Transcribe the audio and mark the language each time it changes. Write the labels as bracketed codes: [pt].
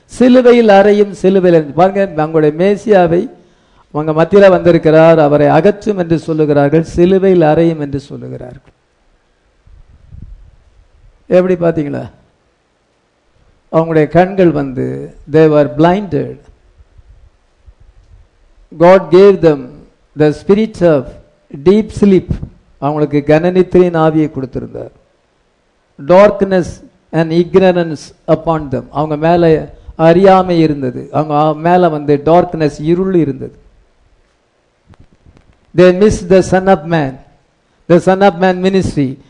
[ta] சிலுவையில் அறையும், சிலுவையில் பாருங்க, அவங்களுடைய மேசியாவை அவங்க மத்தியில் வந்திருக்கிறார். அவரை அகற்றும் என்று சொல்லுகிறார்கள், சிலுவையில் அறையும் என்று சொல்லுகிறார்கள். எப்படி பார்த்தீங்களா, அவங்களுடைய கண்கள் வந்து [en] they were blinded. God gave them the spirit of deep sleep. [ta] அவங்களுக்கு கனநித்திரையின் ஆவியை கொடுத்திருந்தார். [en] Darkness and ignorance upon them. [ta] அவங்க மேலே அறியாமை இருந்தது. அவங்க மேலே வந்து டார்க்னஸ், இருள் இருந்தது. [en] They missed the Son of Man. The Son of Man ministry.